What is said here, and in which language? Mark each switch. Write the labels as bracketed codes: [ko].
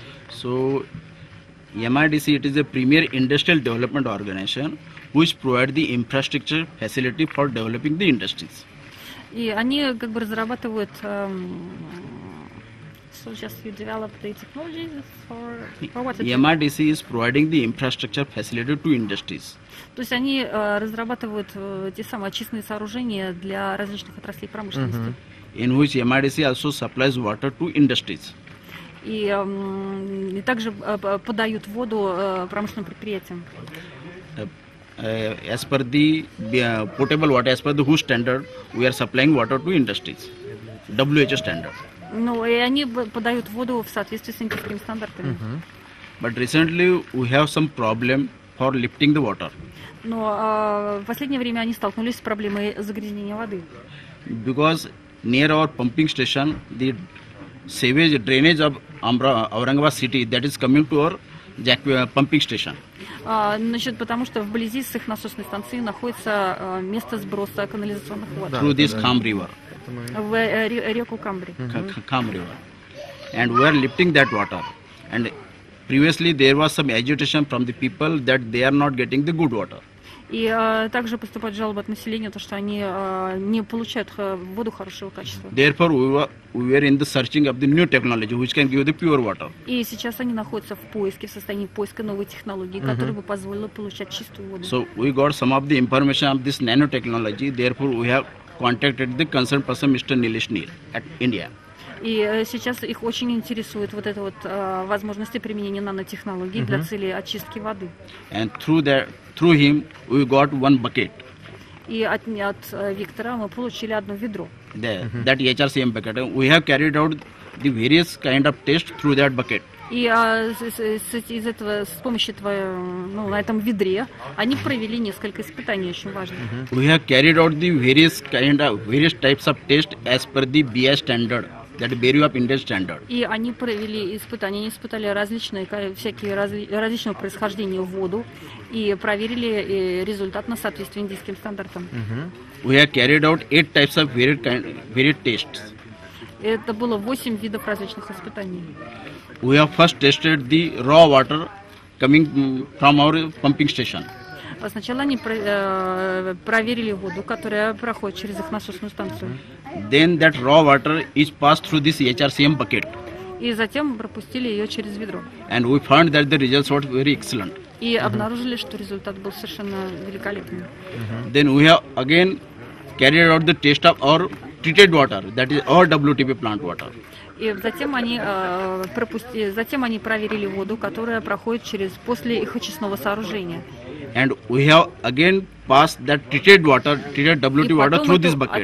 [en] So, MIDC, it is a premier industrial development organization which provides the infrastructure facility for developing the industries. [ru] И они как бы разрабатывают [en] so just you develop the technologies for what? MIDC is providing the infrastructure facility to industries. [ru] То есть они разрабатывают те самые очистные сооружения для различных отраслей промышленности. Uh-huh. [en] In which MIDC also supplies water to industries. [ru] И, и также подают воду промышленным предприятиям. [en] As per the potable water, as per the WHO standard, we are supplying water to industries. WHO standard. [ru] Ну, и они подают воду в соответствии с индийскими стандартами. Uh-huh. [en] But recently we have some problem for lifting the water. [ru] Но в последнее время они столкнулись с проблемой загрязнения воды. [en] Because near our pumping station, the sewage drainage of Aurangabad city that is coming to our pumping station. [ru] Значит, потому что вблизи с их насосной станции находится место сброса канализационных вод. [en] Through this Kam river. [ru] В реку Камбри. [en] Kam river. And we are lifting that water. And previously there was some agitation from the people that they are not getting the good water. [ru] И также поступают жалобы от населения, то что они не получают воду хорошего качества. [en] Therefore, we were in the searching of the new technology, which can give the pure water. [ru] И сейчас они находятся в поиске, в состоянии поиска новой технологии, uh-huh. которая бы позволила получать чистую воду. [en] So we got some of the information of this nanotechnology. Therefore, we have contacted the concerned person, Mr. Nilesh Nir, at India. [ru] И сейчас их очень интересует вот эта вот возможность применения нанотехнологий uh-huh. для цели очистки воды. [en] And through him we got one bucket. [ru] И от Виктора мы получили одно ведро. [en] That HRCM bucket. We have carried out the various kind of tests through that bucket. [ru] И с помощью этого, ну, на этом ведре они провели несколько испытаний, очень важных. Uh-huh. [en] We have carried out the various kind of various types of tests as per the BI standard. That Bureau of Indian Standard. [ru] И они провели испытания, они испытали различные всякие различного происхождения воду и проверили результат на соответствие индийским стандартам. [en] Uh-huh. We have carried out 8 types of varied tests. [ru] Это было 8 видов различных испытаний. [en] We have first tested the raw water coming from our pumping station. [ru] Сначала они проверили воду, которая проходит через их насосную станцию. [en] Then that raw water is passed through this HRCM bucket. [ru] И затем пропустили ее через ведро. [en] And we found that the results were very excellent. И uh-huh. [ru] обнаружили, что результат был совершенно великолепный. Uh-huh. [en] Then we have again carried out the test of our treated water, that is our WTP plant water. [ru] И затем они проверили воду, которая проходит через после их очистного сооружения. [en] And we have again passed that treated WT water through this bucket.